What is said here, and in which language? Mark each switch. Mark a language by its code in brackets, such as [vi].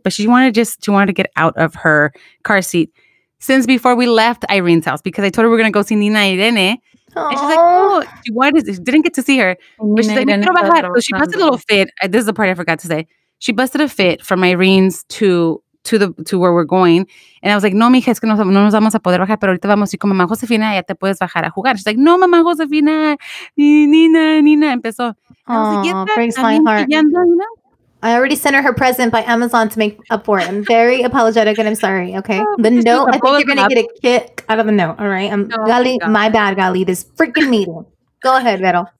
[en] But she wanted to get out of her car seat since before we left Irene's house because I told her we're going to go see Nina Irene. Aww. And she's like, oh, she didn't get to see her. But she's like, [es] quiero bajar. [en] So she busted a little fit. This is the part I forgot to say. She busted a fit from Irene's to where we're going. And I was like, [es] no, mija, es que no nos vamos a poder bajar, pero ahorita vamos a ir con mamá Josefina, ya te puedes bajar a jugar. [en] She's like, no, mamá Josefina, Nina, empezó. Aww, breaks my heart. I already sent her present by Amazon to make up for it. I'm very apologetic and I'm sorry, okay? The note, I think you're going to get a kick out of the note, all right? Gali, this freaking meeting. Go ahead, Vero.